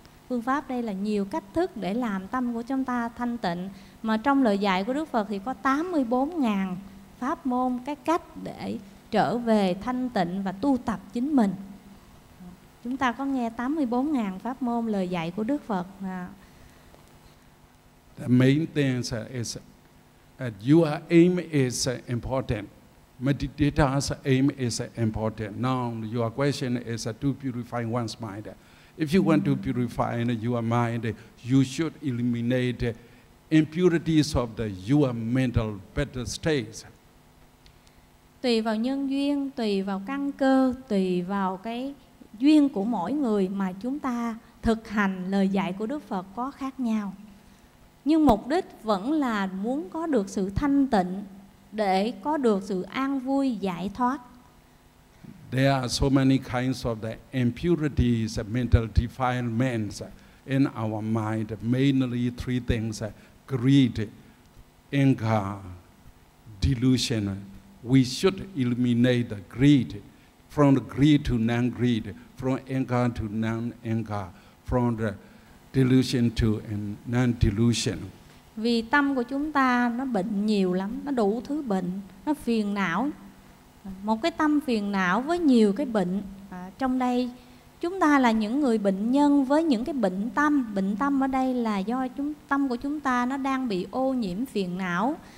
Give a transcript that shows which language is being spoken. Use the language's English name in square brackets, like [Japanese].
[Vietnamese] Phương pháp đây là nhiều cách thức để làm tâm của chúng ta thanh tịnh. Mà trong lời dạy của Đức Phật thì có 84.000 pháp môn, cái cách để trở về thanh tịnh và tu tập chính mình. Chúng ta có nghe 84.000 pháp môn lời dạy của Đức Phật. [English] The main thing is that your aim is important. Meditator's aim is important. Now, your question is to purify one's mind. If you want to purify your mind, you should eliminate impurities of your mental better states. [Vietnamese] Tùy vào nhân duyên, tùy vào căn cơ, tùy vào cái duyên của mỗi người mà chúng ta thực hành lời dạy của Đức Phật có khác nhau. Nhưng mục đích vẫn là muốn có được sự thanh tịnh, để có được sự an vui giải thoát. [English] There are so many kinds of the impurities, mental defilements in our mind. Mainly three things: greed, anger, delusion. We should eliminate the greed, from the greed to non-greed, from anger to non-anger, from the delusion to non-delusion. [Vietnamese] Vì tâm của chúng ta nó bệnh nhiều lắm, nó đủ thứ bệnh, nó phiền não. Một cái tâm phiền não với nhiều cái bệnh. Trong đây, chúng ta là những người bệnh nhân với những cái bệnh tâm. Bệnh tâm ở đây là do tâm của chúng ta nó đang bị ô nhiễm phiền não.